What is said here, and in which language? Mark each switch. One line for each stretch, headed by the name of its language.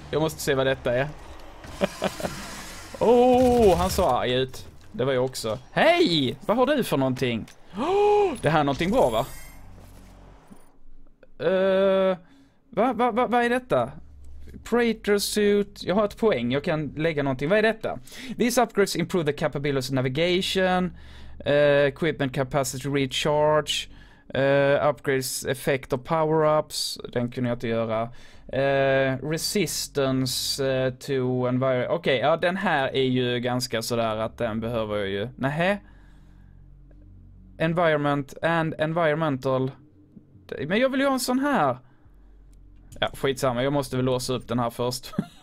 Swedish: Jag måste se vad detta är. Åh, han såg arg ut. Det var jag också. Hej! Vad har du för någonting? Det här är någonting bra, va? Vad är detta? Praetor suit. Jag har ett poäng. Jag kan lägga någonting. Vad är detta?
English: These upgrades improve the capabilities of navigation. Equipment capacity recharge. Upgrades effect of power-ups.
Swedish: Den kunde jag inte göra.
English: Resistance to environment.
Swedish: Okej, okay, ja, den här är ju ganska sådär att den behöver jag ju. Nähä.
English: Environment and environmental.
Swedish: Men jag vill ju ha en sån här. Ja, skitsamma. Jag måste väl låsa upp den här först.